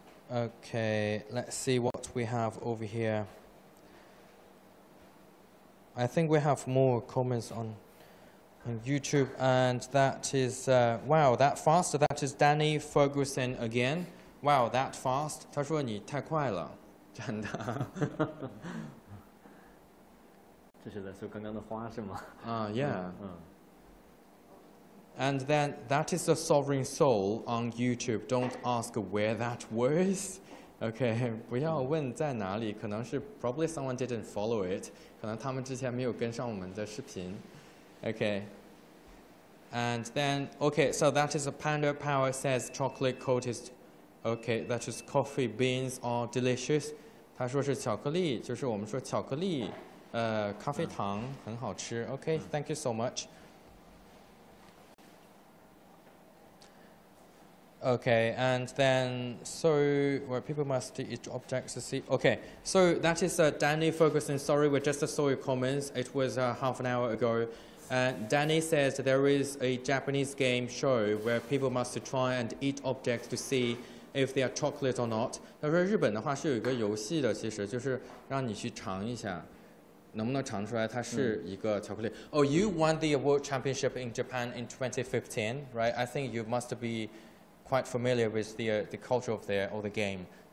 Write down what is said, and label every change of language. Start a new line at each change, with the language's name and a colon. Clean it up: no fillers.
English: Okay, let's see what we have over here. I think we have more comments on YouTube, and that is, wow, that fast, that is Danny Ferguson again. Wow, that fast,
Chinese: 他说你太快了。真的，这是在说刚刚的花是吗？
English: Yeah. And then that is a sovereign soul on YouTube. Don't ask where that was. Okay,
Chinese: 不要问在哪里，可能是
English: probably someone didn't follow it.
Chinese: 可能他们之前没有跟上我们的视频。Okay.
English: And then okay, so that is a panda power says chocolate coated. Okay, that is coffee beans are delicious.
Chinese: 他说是巧克力，就是我们说巧克力，咖啡糖很好吃。
English: Okay, thank you so much. Okay, and then, so where people must eat objects to see. Okay, so that is Danny Ferguson. Sorry, we just saw your comments. It was half an hour ago. Danny says there is a Japanese game show where people must try and eat objects to see if they are chocolate or not.
Chinese: 他说日本的话是有一个游戏的，其实就是让你去尝一下，能不能尝出来它是一个巧克力。Mm.
English: Oh, you won the world championship in Japan in 2015, right? I think you must be quite familiar with the culture of there or the game.